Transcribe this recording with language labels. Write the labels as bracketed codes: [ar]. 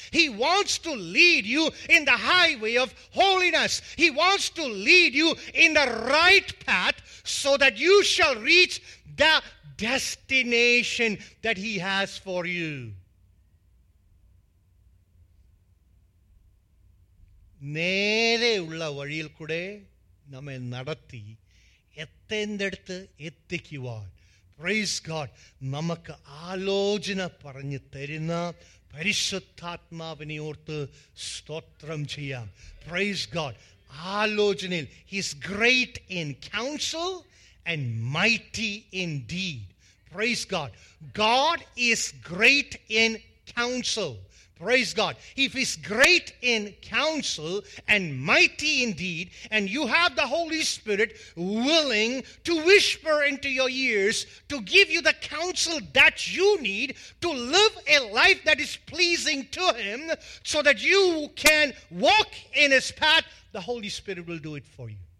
[en] He wants to lead you in the highway of holiness. He wants to lead you in the right path so that you shall reach the destination that he has for you. [ml] നേരെ ഉള്ള വഴിയിൽ കൂടെ നമ്മെ നടത്തി എത്തേണ്ടടുത്ത് എത്തിക്കുവാൻ. [en] Praise God. [ml] നമുക്ക് ആലോചന പറഞ്ഞു തരുന്ന പരിശുദ്ധാത്മാവിനെ ഓർത്ത് സ്തോത്രം ചെയ്യാം. [en] Praise God. [ml] ആലോചനയിൽ [en] He's great in counsel and mighty in deed. Praise God. God is great in counsel. Praise God. If he's great in counsel and mighty indeed, and you have the Holy Spirit willing to whisper into your ears to give you the counsel that you need to live a life that is pleasing to him so that you can walk in his path, the Holy Spirit will do it for you.